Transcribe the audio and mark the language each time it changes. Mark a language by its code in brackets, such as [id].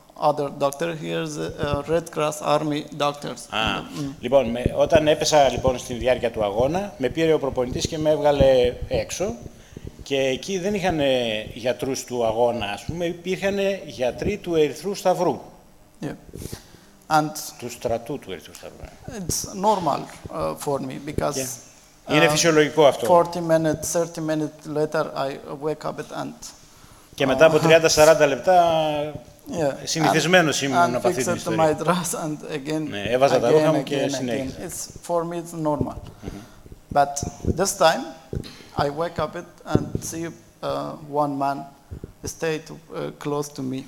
[en] other doctor here's Red Cross Army doctors. Ah. [el] Λοιπόν, όταν έπεσα λοιπόν στη διάρκεια του αγώνα, με πήρε ο προπονητής και με έβγαλε έξω και εκεί δεν είχαν γιατρούς του αγώνα, ας πούμε, υπήρχαν γιατροί του Ερυθρού Σταυρού. [en] Yeah. And [el] του στρατού του Ερυθρού Σταυρού. [en] It's normal for me because [el] είναι φυσιολογικό αυτό. [en] 40 minutes, 30 minutes later I wake up and [el] και μετά από 30-40 λεπτά yeah, συνηθισμένος ήμουν να παθεί την ιστορία. [en] My dress and again, [el] ναι, έβαζα [en] again, [el] τα ρούχα μου και συνέχισα. [en] For me it's normal. Mm-hmm. But this time I wake up it and see one man stay to, close to me.